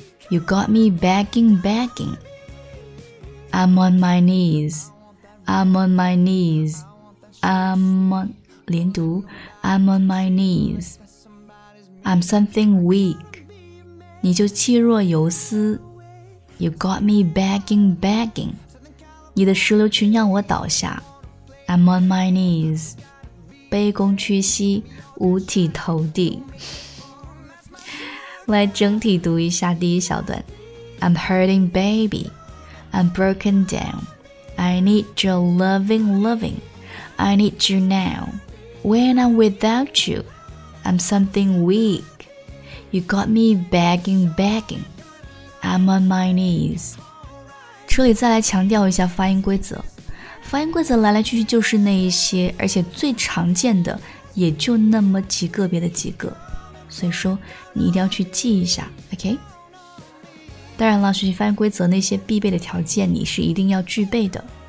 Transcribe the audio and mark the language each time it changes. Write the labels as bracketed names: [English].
[English] You got me begging, begging, I'm on my knees, I'm on my knees, I'm on... [Chinese] 连读 [English] I'm on my knees, I'm something weak, [Chinese] 你就气若游丝。 [English] You got me begging, begging, [Chinese] 你的石榴裙让我倒下。 [English] I'm on my knees, [Chinese] 卑躬屈膝，五体投地。来整体读一下第一小段， [English] I'm hurting baby, I'm broken down, I need your loving, loving, I need you nowWhen I'm without you, I'm something weak. You got me begging, begging. I'm on my knees. [Chinese] 这里再来强调一下发音规则。发音规则来来去去就是那一些，而且最常见的也就那么几个别的几个。所以说你一定要去记一下， OK? 当然了，学习发音规则那些必备的条件你是一定要具备的。